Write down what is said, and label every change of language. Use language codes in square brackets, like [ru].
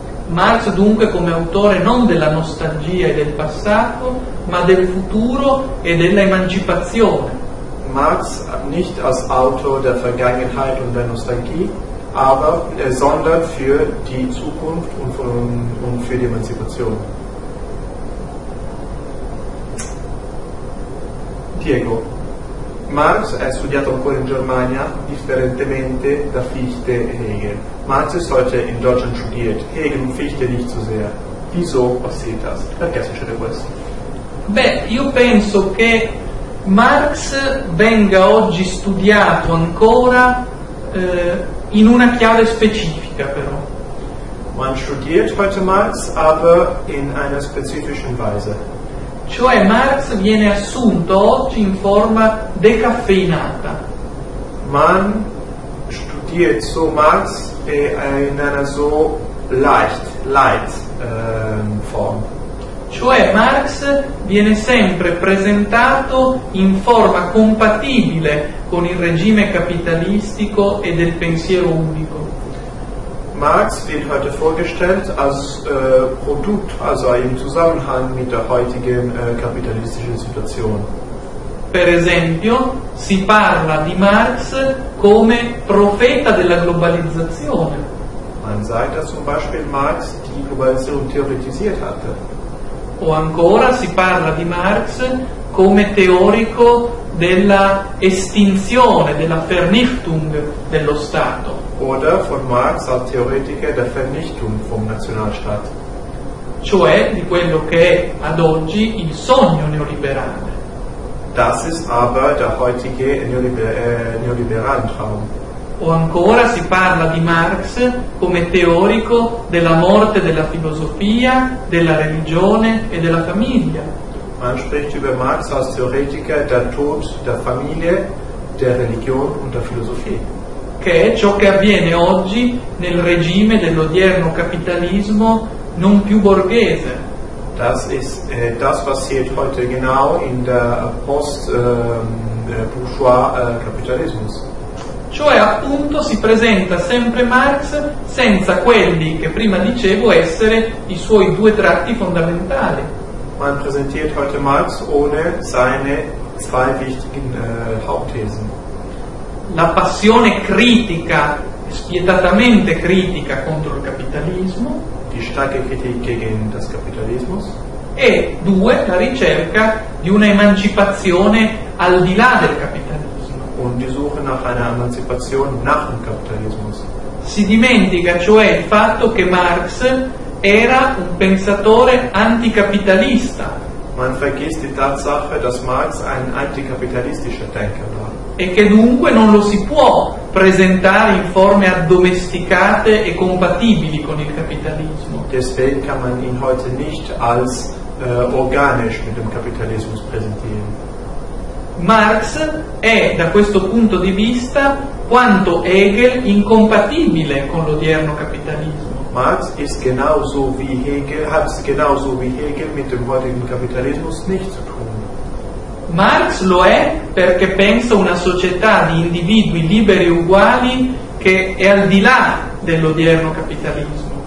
[it] Marx dunque come autore non della nostalgia e del passato, ma del futuro e della emancipazione. [de] Marx nicht als Autor der Vergangenheit und der Nostalgie, aber sondern für die Zukunft und für die Emanzipation. [it] Diego, Marx è studiato ancora in Germania, differentemente da Fichte e Hegel. [de] Marx ist heute in Deutschland studiert, Hegel und Fichte nicht so sehr. Wieso passiert das? [it] Perché succede questo? Beh, io penso che Marx venga oggi studiato ancora in una chiave specifica, però. [de] Man studiert heute Marx, aber in einer spezifischen Weise. [it] Cioè, Marx viene assunto oggi in forma decaffeinata. [de] Man studiert so Marx in einer so light Form. [it] Cioè, Marx viene sempre presentato in forma compatibile con il regime capitalistico e del pensiero unico. [de] Marx wird heute vorgestellt als Produkt, also im Zusammenhang mit der heutigen kapitalistischen Situation. [it] Per esempio, si parla di Marx come profeta della globalizzazione. [de] Man sagt, dass zum Beispiel Marx die Globalisierung theoretisiert hatte. [it] O ancora si parla di Marx come teorico della estinzione, della Vernichtung dello Stato. [de] Oder von Marx als Theoretiker der Vernichtung vom Nationalstaat. [it] Cioè di quello che è ad oggi il sogno neoliberale. [de] Das ist aber der heutige neoliberale Traum. [it] O ancora si parla di Marx come teorico della morte della filosofia, della religione e della famiglia. [de] Man spricht über Marx als Theoretiker der Tod der Familie, der Religion und der Philosophie. [it] Che è ciò che avviene oggi nel regime dell'odierno capitalismo non più borghese. [de] Das ist das passiert heute genau in der post-bourgeois Kapitalismus. [it] Cioè appunto si presenta sempre Marx senza quelli che prima dicevo essere i suoi due tratti fondamentali. [de] Man präsentiert heute Marx ohne seine zwei wichtigen Hauptthesen. [it] La passione critica, spietatamente critica contro il capitalismo. [de] Die starke Kritik gegen das Kapitalismus. [it] E due, la ricerca di una emancipazione al di là del capitalismo. [de] Und die Suche nach einer Emanzipation, nach dem Kapitalismus. [it] Si dimentica cioè il fatto che Marx era un pensatore anticapitalista. [de] Man vergisst die Tatsache, dass Marx ein antikapitalistischer Denker war. [it] E che dunque non lo si può presentare in forme addomesticate e compatibili con il capitalismo. [de] Deswegen kann man ihn heute nicht als organisch mit dem Kapitalismus präsentieren. [it] Marx è, da questo punto di vista, quanto Hegel incompatibile con l'odierno capitalismo. [de] Marx ist genauso wie Hegel, hat es genauso wie Hegel mit dem heutigen Kapitalismus nichts zu tun. [it] Marx lo è perché pensa una società di individui liberi e uguali che è al di là dell'odierno capitalismo.